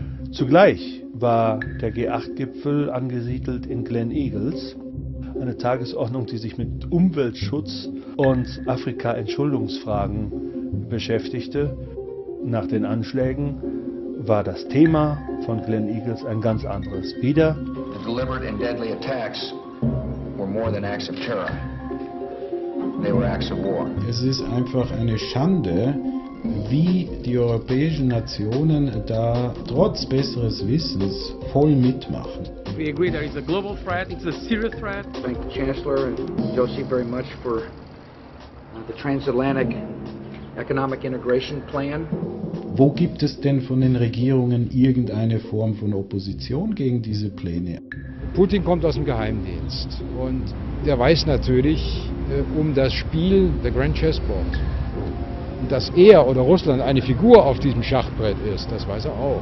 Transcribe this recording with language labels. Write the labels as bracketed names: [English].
[German] Zugleich war der G8-Gipfel angesiedelt in Glen Eagles, eine Tagesordnung, die sich mit Umweltschutz und Afrika-Entschuldungsfragen beschäftigte. Nach den Anschlägen war das Thema von Glen Eagles ein ganz anderes. Wieder. [English] The deliberate and deadly attacks were more than acts of terror. They were acts of war. [German] Es ist einfach eine Schande, wie die europäischen Nationen da trotz besseres Wissens voll mitmachen. [English] We agree there is a global threat, it's a serious threat. Thank the Chancellor and Josie very much for the transatlantic economic integration plan. [German] Wo gibt es denn von den Regierungen irgendeine Form von Opposition gegen diese Pläne? Putin kommt aus dem Geheimdienst und der weiß natürlich um das Spiel der Grand Chessboard. Und dass er oder Russland eine Figur auf diesem Schachbrett ist, das weiß er auch.